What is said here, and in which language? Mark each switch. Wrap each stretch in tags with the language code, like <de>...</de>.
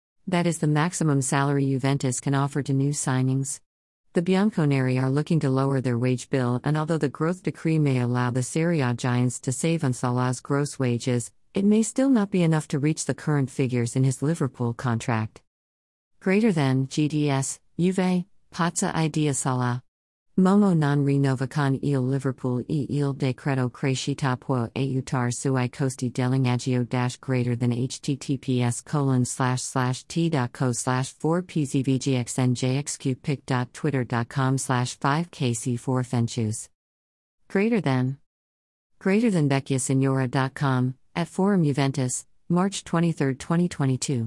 <en>That is the maximum salary Juventus can offer to new signings. The Bianconeri are looking to lower their wage bill, and although the growth decree may allow the Serie A giants to save on Salah's gross wages, it may still not be enough to reach the current figures in his Liverpool contract. Greater than GDS, Juve, Pazza Idea Salah.</en> <it>Momo non rinnova con il Liverpool e il decreto crescita può aiutar sui costi dell'ingaggio</it> <en>dash greater than</en> <it>https://t.co/4pzvgxnjxqpic.twitter.com/5kc4fenchus.</it> <en>Greater than. Greater than vecchiasignora.com, at Forum Juventus, March 23, 2022.</en>